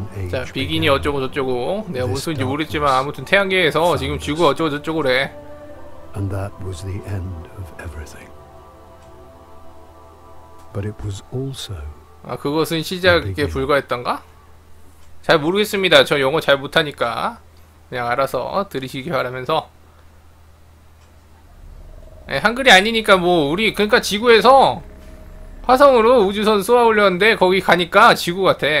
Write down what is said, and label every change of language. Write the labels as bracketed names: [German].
[Korean] 자, 비기니 어쩌고 저쩌고. 내가 무슨 소리인지 모르겠지만 아무튼 태양계에서 지금 지구 어쩌고 저쩌고 그래. [English] And that was the end of everything. But it was also. [Korean] 아, 그것은 시작에 불과했던가? 잘 모르겠습니다. 저 영어 잘 못하니까 그냥 알아서 들으시기 바라면서. 네, 한글이 아니니까 뭐 우리 그러니까 지구에서 화성으로 우주선 쏘아 올렸는데 거기 가니까 지구 같아.